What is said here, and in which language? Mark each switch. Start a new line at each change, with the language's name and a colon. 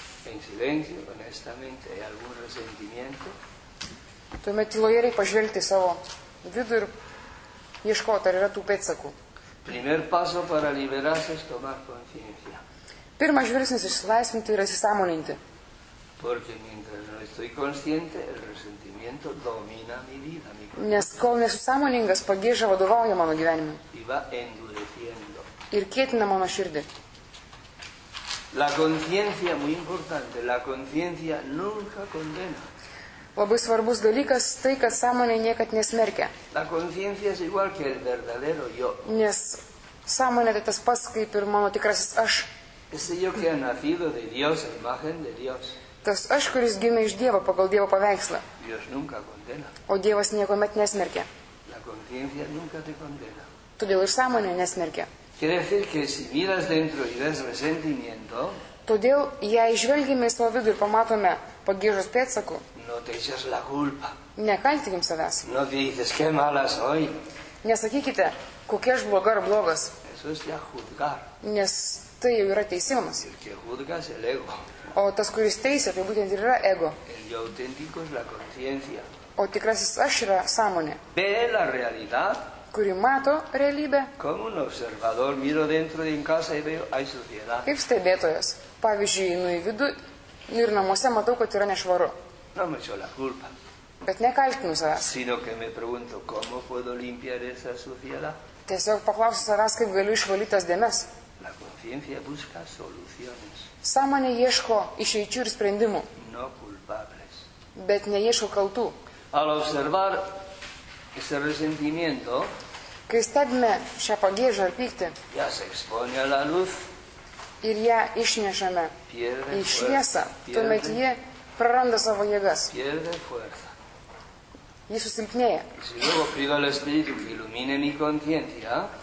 Spanish: En silencio, honestamente, ¿hay algún resentimiento?
Lithuanian: Tuomet tyloje reikia pažvelgti savo vidų ir ieškoti, ar yra tų pėtsakų.
Spanish: Primer paso para liberarse es tomar conciencia.
Lithuanian: Pirmas žvilgsnis išsilaisvinti ir įsisąmoninti.
Spanish: Porque mientras no estoy consciente, el resentimiento domina mi vida, mi corazón.
Lithuanian: Nes kol nesu sąmoningas, pagėža vadovauja mano gyvenimui.
Spanish: Y va endureciendo.
Lithuanian: Ir kietina mano širdį.
Spanish: La conciencia, muy importante, la conciencia nunca condena.
Lithuanian: Labai svarbus dalykas tai, kad sąmonė niekad nesmerkia.
Spanish: La conciencia es igual que el verdadero yo.
Lithuanian: Nes sąmonė tai tas pas, kaip ir mano tikrasis aš.
Spanish: Ese yo que ha nacido de Dios, imagen de Dios.
Lithuanian: Tas aš, kuris gimė iš Dievo pagal Dievo paveikslą.
Spanish: Dios nunca condena.
Lithuanian: O Dievas niekuomet nesmerkia.
Spanish: La conciencia nunca te condena.
Lithuanian: Todėl ir sąmonė nesmerkia.
Spanish: Quiere decir que si miras dentro y ves resentimiento,
Lithuanian: todėl, jei žvelgime į savo vidų ir pamatome pagėžos pėtsakų,
Spanish: no te echas la culpa.
Lithuanian: Nekaltinkim savęs.
Spanish: No te dices, qué mala soy.
Lithuanian: Nesakykite, kokia aš bloga ar blogas.
Spanish: Eso es ya juzgar.
Lithuanian: Nes tai jau yra teisimas.
Spanish: El que juzga es el ego.
Lithuanian: O tas, kuris teisė, tai būtent yra ego.
Spanish: El yo auténtico es la conciencia.
Lithuanian: O tikrasis aš yra sąmonė.
Spanish: Ve la realidad.
Lithuanian: Kuri mato realybę.
Spanish: Como un observador miro dentro de mi casa y veo hay suciedad.
Lithuanian: Kaip stebėtojas. Pavyzdžiui, einu į vidų Nu, ir namuose matau, kad yra nešvaru.
Spanish: No, me echo la culpa.
Lithuanian: Bet nekaltinu savęs.
Spanish: Sino que me pregunto, ¿cómo puedo limpiar esa suciedad?
Lithuanian: Tiesiog paklausiu savęs, kaip galiu išvalyti tas dėmes.
Spanish: La conciencia busca soluciones.
Lithuanian: Sąmonė ieško išeičių ir sprendimų.
Spanish: No culpables.
Lithuanian: Bet neieško kaltų.
Spanish: Al observar ese resentimiento,
Lithuanian: kai stebime šią pagiežą ar pyktį,
Spanish: ya se expone a la luz.
Lithuanian: Ir ją išnešame
Spanish: pierde
Lithuanian: į šviesą, tuomet ji praranda savo jėgas. Ji susilpnėja.